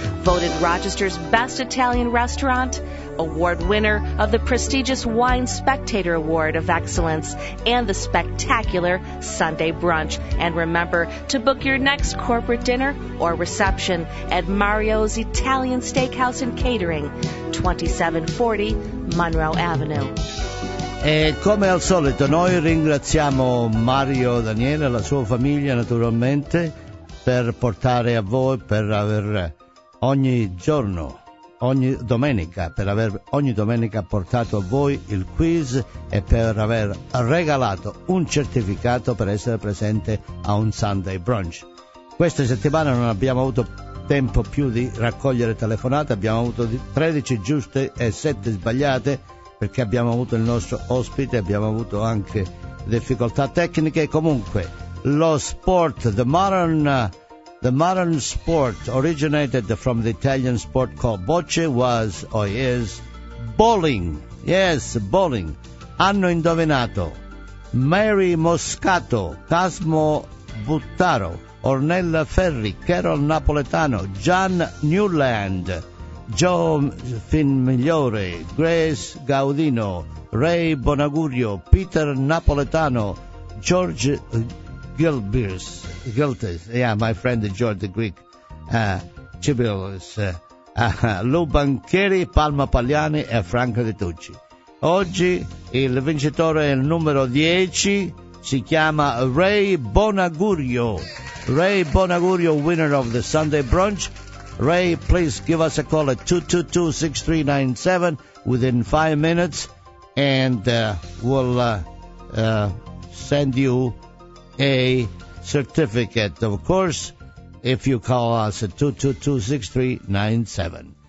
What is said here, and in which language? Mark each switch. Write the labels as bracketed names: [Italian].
[English] Voted Rochester's best Italian restaurant, award winner of the prestigious Wine Spectator Award of Excellence and the spectacular Sunday Brunch. And remember to book your next corporate dinner or reception at Mario's Italian Steakhouse and Catering, 2740 Monroe Avenue. [Italian] E come al solito noi ringraziamo Mario Daniele e la sua famiglia naturalmente per portare a voi, per aver ogni giorno, ogni domenica, per aver ogni domenica portato a voi il quiz e per aver regalato un certificato per essere presente a un Sunday Brunch. Questa settimana non abbiamo avuto tempo più di raccogliere telefonate, abbiamo avuto 13 giuste e 7 sbagliate perché abbiamo avuto il nostro ospite, abbiamo avuto anche difficoltà tecniche. Comunque, lo sport, [English] the modern sport originated from the Italian sport called bocce was or is bowling. Yes, bowling. [Italian] Hanno indovinato Mary Moscato, Cosmo Buttaro, Ornella Ferri, Carol Napoletano, John Newland, Joe Finmigliore, Grace Gaudino, Ray Bonagurio, Peter Napoletano, George Gilbert, Giltes, [English] yeah, my friend George the Greek, [Italian] Chibilis, Lou Bancheri, Palma Pagliani e Franco De Tucci. Oggi il vincitore è il numero 10, si chiama Ray Bonagurio. [English] Ray Bonagurio, winner of the Sunday Brunch. Ray, please give us a call at 222-6397 within 5 minutes and we'll send you a certificate, of course, if you call us at 222-6397.